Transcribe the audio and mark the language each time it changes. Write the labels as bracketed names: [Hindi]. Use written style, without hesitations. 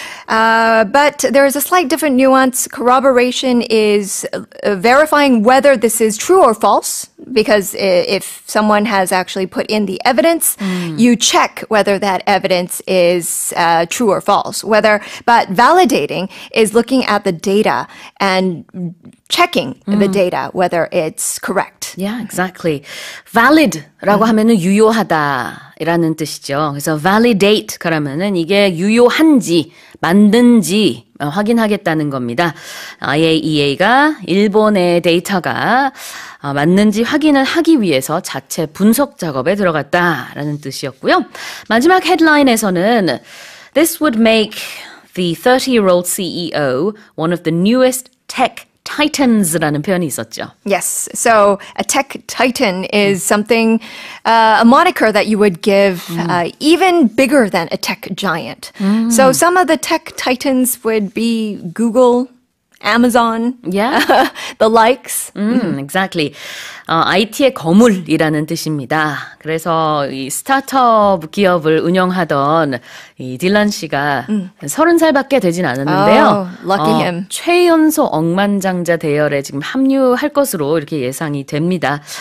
[English] But there is a slight different nuance. Corroboration is verifying whether this is true or false, because if someone has actually put in the evidence, you check whether that evidence is true or false. But validating is looking at the data and checking the data, whether it's correct. Yeah, exactly. [Korean] Valid라고 하면은 유효하다라는 뜻이죠. 그래서 validate 그러면은 이게 유효한지 맞는지 확인하겠다는 겁니다. IAEA가 일본의 데이터가 맞는지 확인을 하기 위해서 자체 분석 작업에 들어갔다라는 뜻이었고요. 마지막 헤드라인에서는 [English] This would make the 30-year-old CEO one of the newest tech Titans라는 [Korean] 표현이 있었죠. [English] Yes. So a tech titan is something, a moniker that you would give even bigger than a tech giant. So some of the tech titans would be Google, Amazon, yeah. the likes. Exactly. [Korean] IT의 거물이라는 뜻입니다. 그래서 이 스타트업 기업을 운영하던 이 딜런 씨가 30살밖에 되진 않았는데요. [English] Oh, lucky him. [Korean] 최연소 억만장자 대열에 지금 합류할 것으로 이렇게 예상이 됩니다.